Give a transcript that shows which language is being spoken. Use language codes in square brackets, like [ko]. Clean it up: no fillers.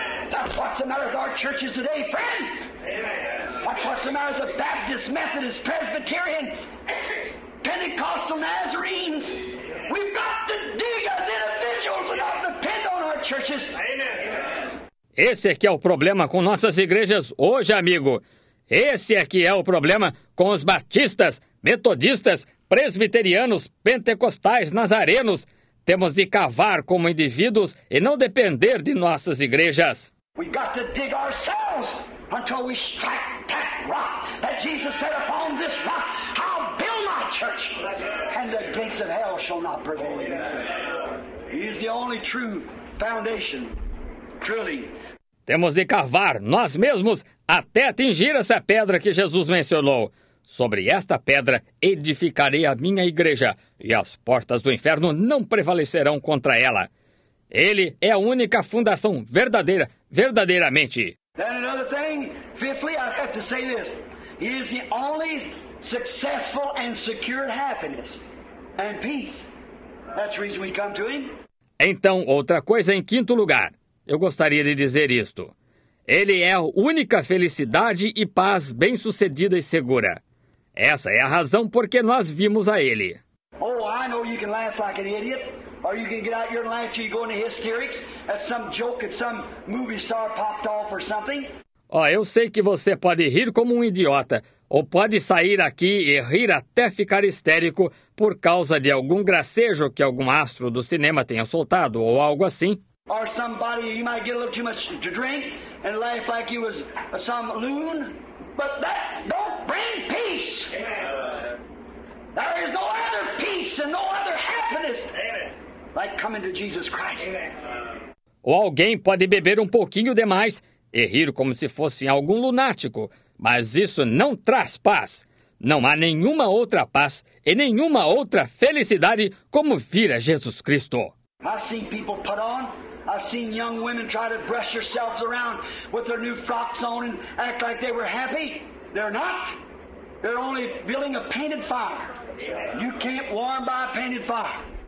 [en] That's what's the matter with our churches today, friend. What's the matter with the Baptist, Methodist, Presbyterian, Pentecostal, Nazarenes? We've got to dig as individuals and not depend on our churches. [pt] Esse aqui é o problema com nossas igrejas hoje, amigo. Esse aqui é o problema com os batistas, metodistas, presbiterianos, pentecostais, nazarenos. Temos de cavar como indivíduos e não depender de nossas igrejas. [en] We've got to dig ourselves until we strike that rock that Jesus said upon this rock, I'll build my church, and the gates of hell shall not prevail against it. He is the only true foundation, truly. [pt] Temos de cavar nós mesmos até atingir essa pedra que Jesus mencionou. Sobre esta pedra edificarei a minha igreja, e as portas do inferno não prevalecerão contra ela. Ele é a única fundação verdadeira, verdadeiramente. [en] Then another thing, fifthly, I have to say this. He is the only successful and secure happiness and peace. That's the reason we come to him. [pt] Então, outra coisa em quinto lugar. Eu gostaria de dizer isto. Ele é a única felicidade e paz bem-sucedida e segura. Essa é a razão porque nós vimos a ele. [en] Oh, I know you can laugh like an idiot. Or you can get out your laugh till you go into hysterics at some joke that some movie star popped off or something. [pt] Oh, eu sei que você pode rir como um idiota, ou pode sair aqui e rir até ficar histérico por causa de algum gracejo que algum astro do cinema tenha soltado, ou algo assim. [en] Or somebody, you might get a little too much to drink and laugh like you was some loon. But that don't bring peace. There is no other peace and no other happiness. Like coming to Jesus Christ. [pt] Ou alguém pode beber um pouquinho demais e rir como se fosse algum lunático, mas isso não traz paz. Não há nenhuma outra paz e nenhuma outra felicidade como vir a Jesus Cristo. [en] I've seen people put on. I've seen young women try to brush themselves around with their new frocks on and act like they were happy. They're not. They're only building a painted fire. You can't warm by a painted fire.